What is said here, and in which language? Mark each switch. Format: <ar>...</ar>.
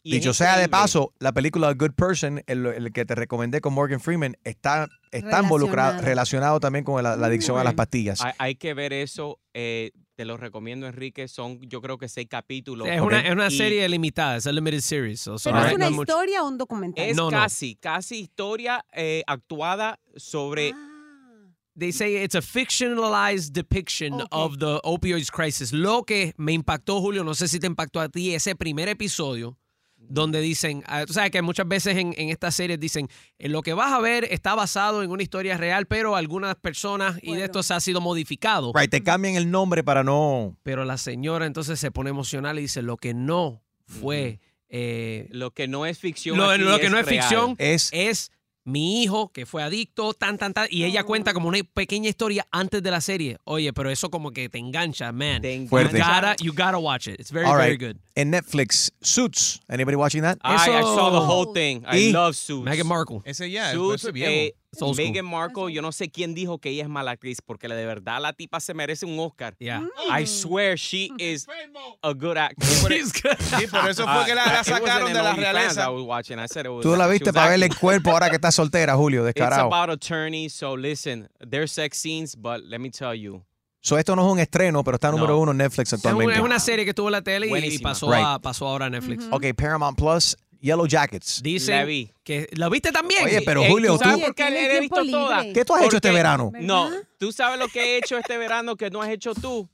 <es>Y dicho sea de paso, la película Good Person, el que te recomendé con Morgan Freeman, está involucrado, relacionado también con la adicción a las pastillas. Hay que ver eso. Te lo recomiendo, Enrique. Son, yo creo que 6 capítulos. Sí, es una serie limitada. Es</es> <en>a limited series. So,</en> <es>¿pero right? ¿Es una historia o un documental? Es casi historia actuada sobre...</es> <en>They say it's a fictionalized depiction of the opioids crisis.</en> <es>Lo que me impactó, Julio, no sé si te impactó a ti, ese primer episodio donde dicen, tú sabes que muchas veces en estas series dicen, lo que vas a ver está basado en una historia real, pero algunas personas y de esto se ha sido modificado. Right, te cambian el nombre para no... Pero la señora entonces se pone emocional y dice, lo que no fue... lo que no es ficción lo que no es real. Ficción es mi hijo que fue adicto, tan, y ella cuenta como una pequeña historia antes de la serie. Oye, pero eso como que te engancha, man.</es> <en>You gotta watch it. It's very, all right. Very good. En Netflix, Suits. Anybody watching that? I saw the whole thing. I love Suits. Meghan Markle.</en> <es>Ese ya, yeah, Suits. Meghan Markle, yo no sé quién dijo que ella es mala actriz, porque de verdad la tipa se merece un Oscar.</es> <en>Yeah. I swear she is a good actor.</en> <es>Sí, por eso fue que la sacaron de la realeza.</es> <en>I was watching. I said it was,</en> <es>tú la viste para verle el cuerpo ahora que está soltera, Julio, descarado.</es> <en>It's about attorneys, so listen, there's sex scenes, but let me tell you.</en> <es>So esto no es un estreno, pero está número uno en Netflix actualmente. Es una serie que estuvo en la tele y pasó ahora a Netflix.</es> <en>Mm-hmm. Okay, Paramount Plus. Yellow Jackets.</en> <es>Dice que la viste también. Oye, pero Julio, ¿tú sabes por qué le he visto toda? ¿Qué tú has hecho este verano? No, tú sabes lo que he hecho este verano que no has hecho tú.</es>